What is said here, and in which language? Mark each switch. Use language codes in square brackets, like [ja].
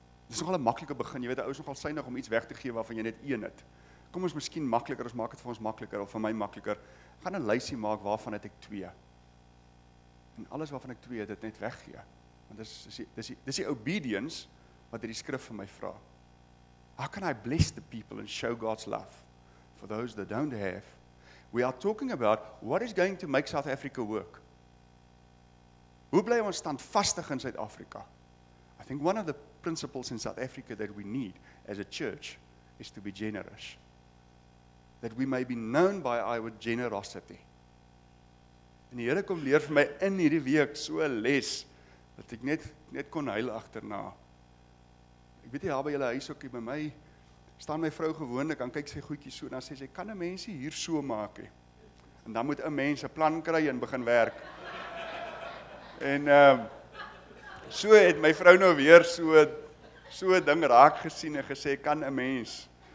[af] Dis nogal 'n maklike begin, jy weet, ou is nogal suinig om iets weg te gee waarvan jy net een het. Kom ons miskien makliker, ons maak dit vir ons makliker of vir my makliker. Gaan 'n lysie maak waarvan het ek twee. En alles waarvan ek twee het, dit net weggee. Want dis die obedience wat hierdie skrif vir my vra. [en] How can I bless the people and show God's love for those that don't have? We are talking about what is going to make South Africa work. [af] Hoe bly ons standvastig in Suid-Afrika? [en] I think one of the principles in South Africa that we need as a church is to be generous. That we may be known by our generosity. [af] En die Here kom leer vir my in hierdie week so 'n les dat ek net kon huil agterna. Ek weet jy daar by julle huis ook by my staan my vrou gewoonlik en kyk sy goedjies so en dan sê sy kan 'n mens hier so maak hê. En dan moet 'n mens 'n plan kry en begin werk. En so het my vrou nou weer so ding raak gesien en gesê kan 'n mens.